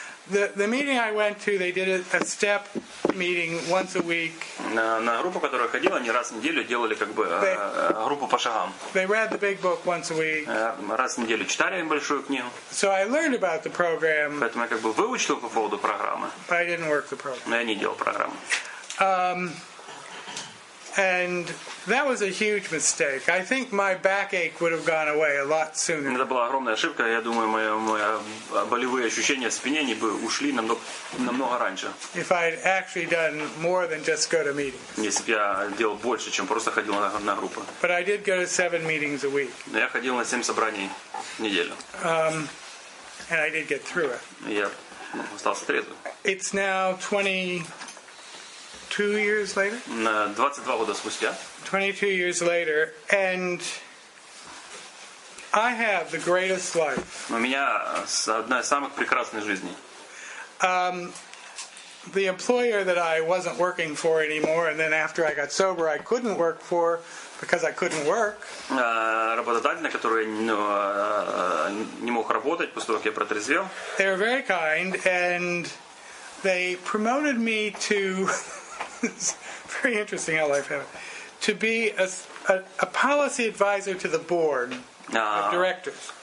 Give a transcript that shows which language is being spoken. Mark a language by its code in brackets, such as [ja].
[en] The meeting I went to, they did a step meeting once a week. [ru] На группу, которую я ходил, они раз в неделю делали как бы группу по шагам. [en] They read the big book once a week. [ru] Раз в неделю читали большую книгу. [en] So I learned about the program. [ru] Поэтому я как бы выучил по поводу программы. [en] But I didn't work the program. [ru] Но я не делал программу. [en] And that was a huge mistake. I think my backache would have gone away a lot sooner. [ru] Это была огромная ошибка. Я думаю, мои болевые ощущения в спине не бы ушли намного раньше. [en] If I'd actually done more than just go to meetings. [ru] Если бы я делал больше, чем просто ходил на группы. [en] But I did go to 7 meetings a week. [ru] Но я ходил на 7 собраний в неделю. [en] And I did get through it. [ru] Я остался трезвым. [en] It's now 2 years later? [ru] 22 года спустя. [en] 22 years later, and I have the greatest life. [ru] У меня одна из самых прекрасных жизней. [en] The employer that I wasn't working for anymore, and then after I got sober, I couldn't work for because I couldn't work. [ru] Работодатель, на который я не мог работать после того, как я протрезвел. [en] They were very kind, and they promoted me to. It's very interesting how life happened. To be a policy advisor to the board of directors.